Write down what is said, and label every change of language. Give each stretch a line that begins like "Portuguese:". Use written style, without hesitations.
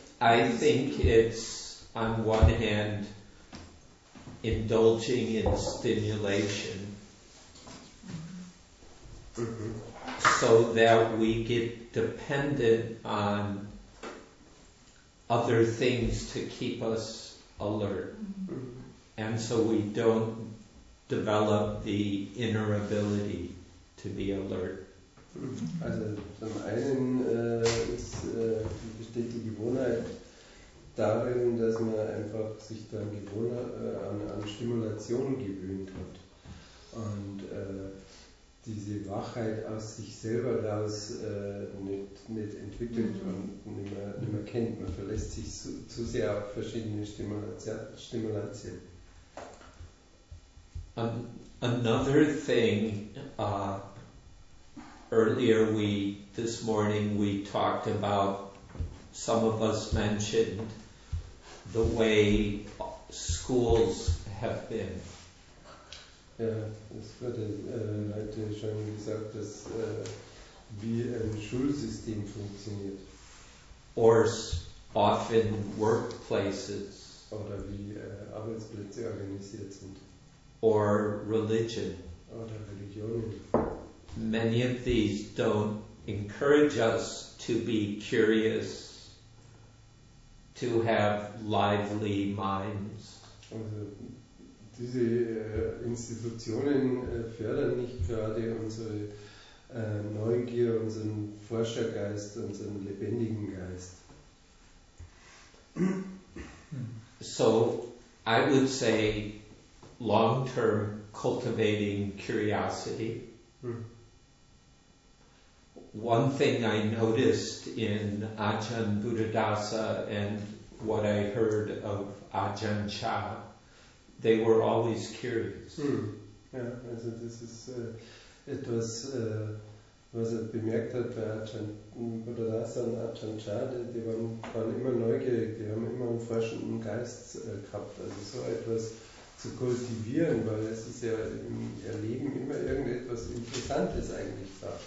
English: I think it's, on one hand, indulging in stimulation so that we get dependent on other things to keep us alert. Mm-hmm. And so we don't develop the inner ability to be alert.
German: Also zum einen besteht die Gewohnheit darin, dass man einfach sich dann an Stimulation gewöhnt hat. Und diese Wachheit aus sich selber daraus nicht entwickelt und nicht mehr kennt. Man verlässt sich zu sehr auf verschiedene Stimulationen.
English: Another thing, earlier this morning we talked about, some of us mentioned the way schools have been.
German: Ja, es wurde heute schon gesagt, dass wie ein Schulsystem funktioniert.
English: Or often workplaces.
German: Oder wie Arbeitsplätze organisiert sind.
English: Or religion.
German: Oder Religionen.
English: Many of these don't encourage us to be curious, to have lively minds.
German: Also, diese Institutionen fördern nicht gerade unsere Neugier, unseren Forschergeist, unseren lebendigen Geist.
English: So, I would say, long-term cultivating curiosity. One thing I noticed in Ajahn Buddhadasa and what I heard of Ajahn Chah, they were always curious. Yeah, also this is
German: etwas, was er bemerkt hat bei Ajahn Buddhadasa und Ajahn Chah, die waren immer neugierig, die haben immer einen forschenden Geist gehabt, also so etwas zu kultivieren, weil es ist ja im Erleben immer irgendetwas Interessantes eigentlich da.